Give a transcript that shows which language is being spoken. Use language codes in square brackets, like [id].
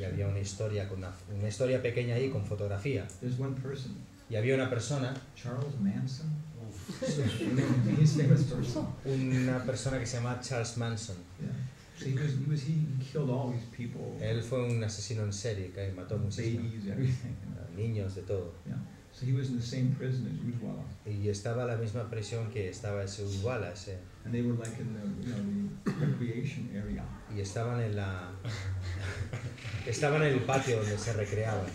[es] Y había una historia con una historia pequeña ahí con fotografía. [en] There's one person. [es] Y había una persona. [en] Charles Manson. His famous person. [es] Una persona que se llama Charles Manson. [en] Yeah. So he killed all these people. [es] Él fue un asesino en serie que mató muchísimos niños de todo. [en] Yeah. So he was in the same prison as Ujjwala. [es] Y estaba en la misma prisión que estaba ese Ujjwala, ese. [en] And they were like in the, the recreation area. [es] Y estaban en la estaban en el patio donde se recreaban.